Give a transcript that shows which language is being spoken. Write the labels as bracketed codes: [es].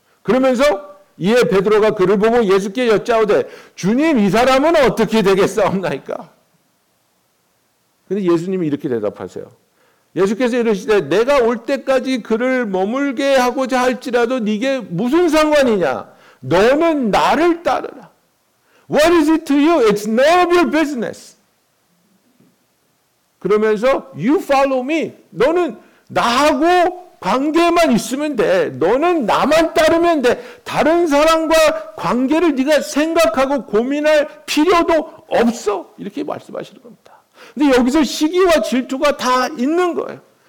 [ko] 그러면서 이에 베드로가 그를 보고 예수께 여짜오되 주님 이 사람은 어떻게 되겠사옵나이까? 그런데 예수님이 이렇게 대답하세요. 예수께서 이러시되 내가 올 때까지 그를 머물게 하고자 할지라도 네게 무슨 상관이냐? 너는 나를 따르라. [en] What is it to you? It's none of your business. [ko] 그러면서 [en] You follow me. [ko] 너는 나하고 관계만 있으면 돼. 너는 나만 따르면 돼. 다른 사람과 관계를 네가 생각하고 고민할 필요도 없어. 이렇게 말씀하시는 겁니다. 근데 여기서 시기와 질투가 다 있는 거예요.